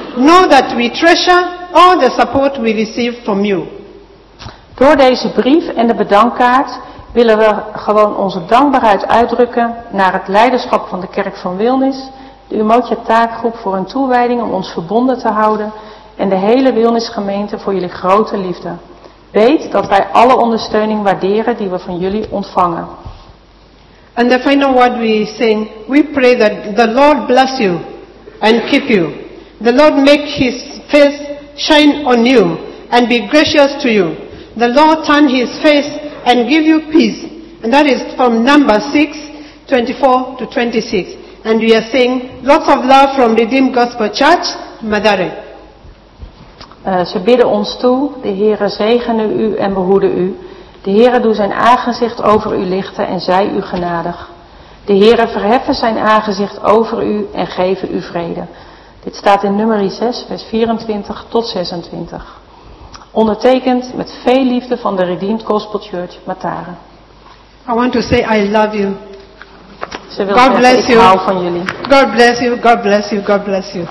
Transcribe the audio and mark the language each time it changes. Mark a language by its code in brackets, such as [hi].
[en] Know that we treasure all the support we receive from you. [nl] Door deze brief en de bedankkaart willen we gewoon onze dankbaarheid uitdrukken naar het leiderschap van de Kerk van Wilmis, de Umoja Taakgroep voor hun toewijding om ons verbonden te houden en de hele Wilmis-gemeente voor jullie grote liefde. Weet dat wij alle ondersteuning waarderen die we van jullie ontvangen. [en] And the final word we sing, we pray that the Lord bless you and keep you. The Lord make his face shine on you and be gracious to you. The Lord turn his face and give you peace. And that is from number 6, 24 to 26. And we are saying lots of love from Redeemed Gospel Church, Madari. [nl] Ze bidden ons toe, de Heere zegene u en behoede u. De Heere doe zijn aangezicht over u lichten en zij u genadig. De Heere verheffen zijn aangezicht over u en geven u vrede. Dit staat in nummer 6, vers 24 tot 26. Ondertekend met veel liefde van de Redeemed Gospel Church, Mataren. [en] I want to say I love you. [nl] Ze wil [en] God bless [nl] zeggen, ik hou van jullie. [en] God bless you, God bless you, God bless you.